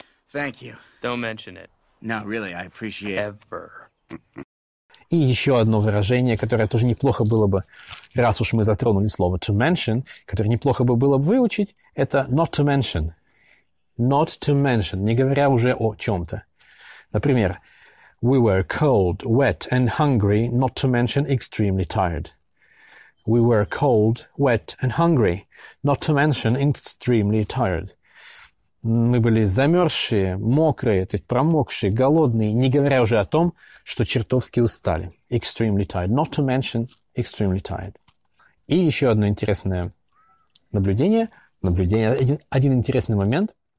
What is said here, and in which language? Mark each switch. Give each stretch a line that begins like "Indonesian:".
English: Thank you. Don't mention it. No, really, I appreciate it. Ever.
Russian: И еще одно выражение, которое тоже неплохо было бы, раз уж мы затронули слово to mention, которое неплохо бы было бы выучить, это not to mention.
English: Not to mention,
Russian: не говоря уже о чем-то. Например,
English: we were cold, wet and hungry, not to mention extremely tired. We were cold, wet and hungry, not to mention extremely tired.
Russian: Мы были замерзшие, мокрые, то есть промокшие, голодные, не говоря уже о том, что чертовски устали.
English: Extremely tired, not to mention extremely tired.
Russian: И еще одно интересное наблюдение, один интересный момент.